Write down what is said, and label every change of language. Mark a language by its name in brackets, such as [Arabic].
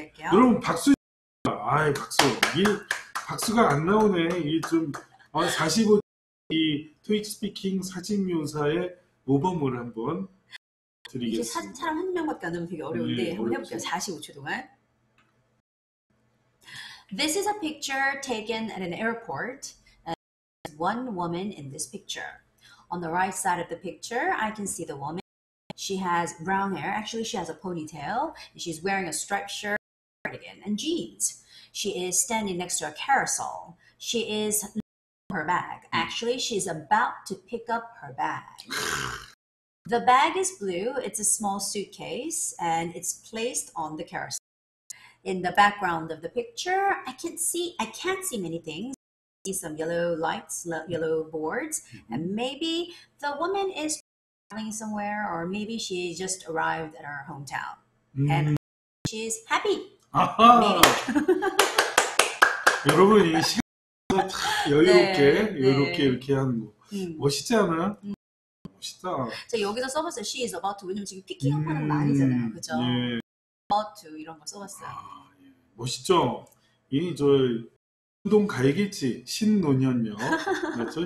[Korean] 할게요. 여러분 박수. 아이 박수. 이 박수가 안 나오네. 이 좀 45 이 토익 스피킹 사진 묘사의 모범을 한번 드리겠습니다. 이제 사진 사람 한 명밖에 안 하면 되게 어려운데 네, 한번 해볼게요. 45초 동안. [English] This is a picture taken at an airport. One woman in this picture. On the right side of the picture, I can see the woman. She has brown hair. Actually, she has a ponytail. She's wearing a striped shirt, cardigan, and jeans. She is standing next to a carousel. She is looking for her bag. Actually, she's about to pick up her bag. The bag is blue. It's a small suitcase, and it's placed on the carousel. In the background of the picture, I can't see many things. Some yellow lights, yellow boards, and maybe the woman is traveling somewhere, or maybe she just arrived at her hometown, and she's happy. [Korean] 아하. 여러분 이 시간에 여유롭게 네, 이렇게 네. 이렇게 하는 거 멋있지 않아? 멋있다. 자 여기서 써봤어요. [English] She is about to. [Korean] 왜냐면 지금 [English] picking up [Korean] 하는 거 아니잖아요, 그죠? 예. [English] About to [Korean] 이런 거 써봤어요. 아, 예. 멋있죠? 이 저. 운동 가야겠지. 신논현역. 맞죠?